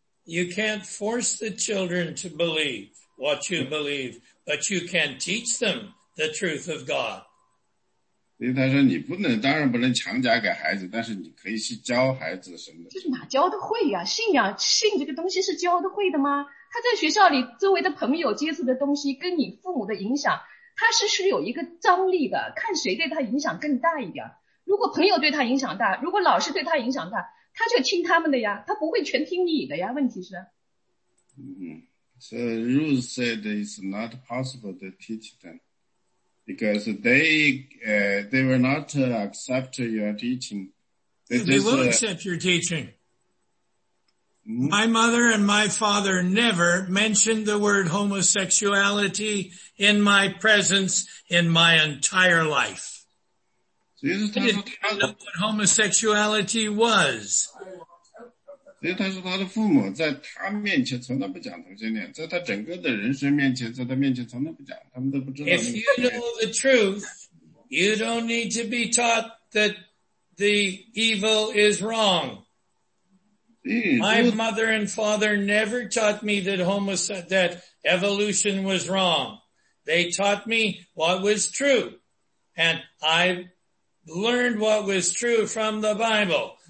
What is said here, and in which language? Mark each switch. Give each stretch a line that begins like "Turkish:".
English: You can't force the children to believe what you believe, but you can teach them the truth of God.
Chinese: 所以他说你不能，当然不能强加给孩子，但是你可以去教孩子什么。这是哪教的会呀？信仰，信这个东西是教的会的吗？他在学校里周围的朋友接触的东西，跟你父母的影响，他是有一个张力的，看谁对他影响更大一点。如果朋友对他影响大，如果老师对他影响大，他就听他们的呀，他不会全听你的呀。问题是，
English: So Ruth said it's not possible to teach them. Because they will not accept your teaching. They will accept your teaching. Mm-hmm. My mother and my father never mentioned the word homosexuality in my presence in my entire life. They didn't know what homosexuality was.
Chinese: 所以他说他的父母在他面前从来不讲同性恋，在他整个的人生面前，在他面前从来不讲，他们都不知道。
English: If you know the truth, you don't need to be taught that the evil is wrong. My mother and father never taught me that that evolution was wrong. They taught me what was true. And I learned what was true from the Bible.